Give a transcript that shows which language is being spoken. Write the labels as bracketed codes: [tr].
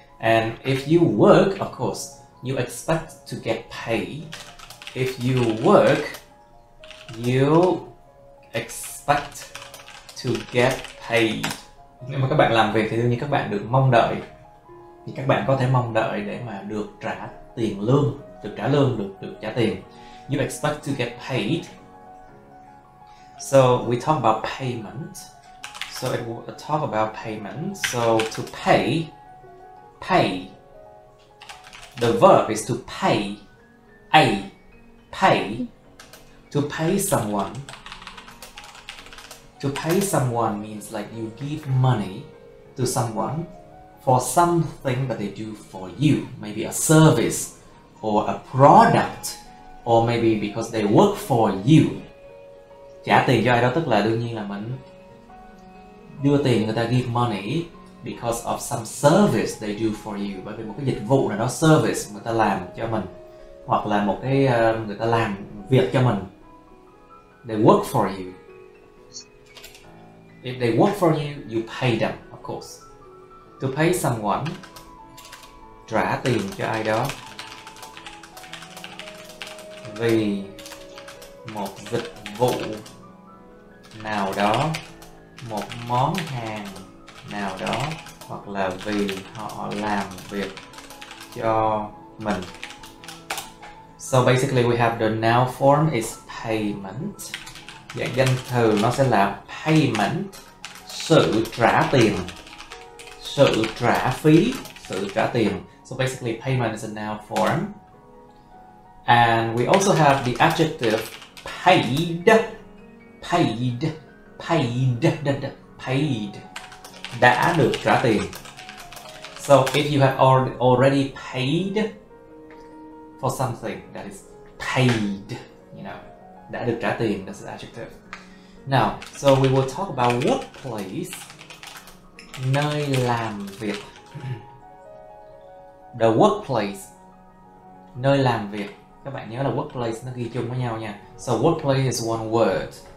[en] And if you work, of course, you expect to get paid. If you work, you expect to get paid. [vi] Nếu mà các bạn làm việc thì đương nhiên các bạn được mong đợi. Thì các bạn có thể mong đợi để mà được trả tiền lương, được trả lương, được trả tiền. [en] You expect to get paid. So we talk about payment. So it will talk about payment. So to pay, pay. The verb is to pay. A, pay. To pay someone. To pay someone means like you give money to someone for something that they do for you, maybe a service or a product, or maybe because they work for you. [vi] Trả tiền cho ai đó tức là đương nhiên là mình đưa tiền, người ta [en] give money because of some service they do for you, [vi] bởi vì một cái dịch vụ nào đó, service người ta làm cho mình, hoặc là một cái người ta làm việc cho mình. [en] They work for you. If they work for you, you pay them, of course. To pay someone, [vi] trả tiền cho ai đó vì một dịch vụ nào đó, một món hàng nào đó, hoặc là vì họ làm việc cho mình. [en] So basically we have the noun form is payment. [vi] Dạng danh từ nó sẽ là payment, sự trả tiền. Sự trả phí, sự trả tiền. [en] So basically payment is a noun form. And we also have the adjective paid. Paid. Paid. Paid. Paid. [vi] Đã được trả tiền. [en] So if you have already paid for something, that is paid. You know, [vi] đã được trả tiền, [en] that's the adjective. Now, so we will talk about workplace. [vi] Nơi làm việc. [en] The workplace. [vi] Nơi làm việc. Các bạn nhớ là workplace nó ghi chung với nhau nha. [en] So workplace is one word.